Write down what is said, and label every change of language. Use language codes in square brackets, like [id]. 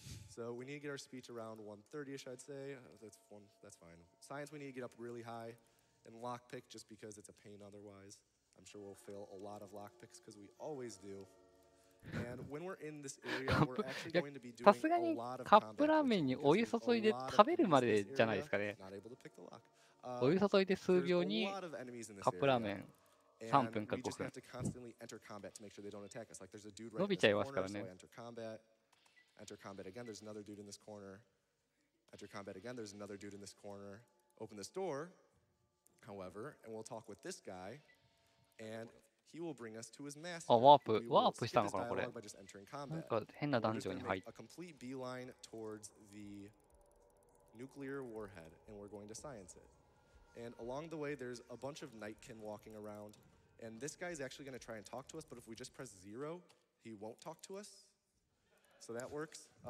[en] So we need to get our speech around 130-ish, I'd say. That's fine. Science, we need to get up really high. And lockpick, just because it's a pain otherwise. I'm sure we'll fail a lot of lockpicks because we always do. And when we're in this area, we're actually going to be doing a lot of combat. [ja] カップラーメンにお湯注いで食べるまでじゃないですかね。 [en] Not able to pick the lock. [ja] お湯注いで数秒にカップラーメン。 [en] And we just have to constantly enter combat to make sure they don't attack us. Like there's a dude right in this corner, so I enter combat again, there's another dude in this corner. Enter combat again, there's another dude in this corner. Open this door, however, and we'll talk with this guy. And he will bring us to his master. [ja] あ、ワープ。ワープしたのかな、これ。なんか変なダンジョンに入って。 [en] A complete beeline towards the nuclear warhead, and we're going to science it. And along the way, there's a bunch of Nightkin walking around. And this guy is actually going to try and talk to us, but if we just press zero, he won't talk to us. So that works.